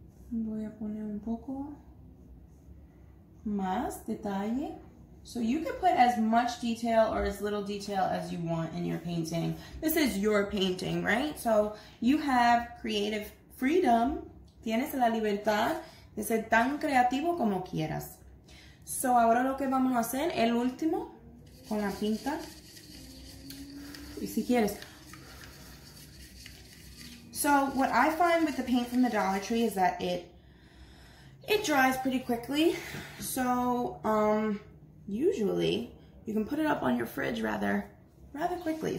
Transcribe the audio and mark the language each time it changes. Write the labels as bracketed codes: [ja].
[es] Voy a poner un poco más detalle. [en] So you can put as much detail or as little detail as you want in your painting. This is your painting, right? So you have creative freedom. [es] Tienes la libertad de ser tan creativo como quieras. So ahora lo que vamos a hacer, el último, con la pinta. Y si quieres. [en] So what I find with the paint from the Dollar Tree is that it dries pretty quickly, so usually you can put it up on your fridge rather quickly.